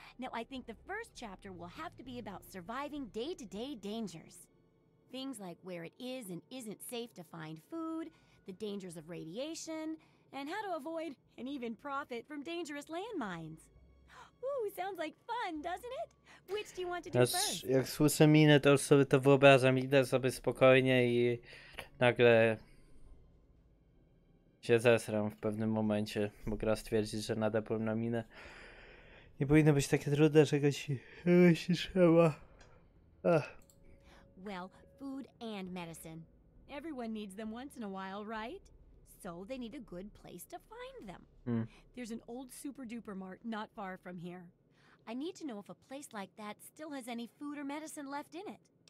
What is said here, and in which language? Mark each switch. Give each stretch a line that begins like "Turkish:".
English: Now I think the first chapter will have to be about surviving day-to-day dangers. Things like where it is and isn't safe to find food, the dangers of radiation, and how to avoid and even profit from dangerous landmines. Ooh, sounds like fun, doesn't it? Which do you want to do first?
Polish: Jak słyszę minę, to już sobie to wyobrażam. Idę sobie spokojnie i nagle się zesram w pewnym momencie, bo gra stwierdzi, że nada pełna minę. Nie powinno być takie trudne, że czegoś się trzeba. Ach.
English: Well, food and medicine. Everyone needs them once in a while, right? So they need a good place to find them. Mm. There's an old super duper mart not far from here. I need to know if a place like that still has any food or medicine left in it.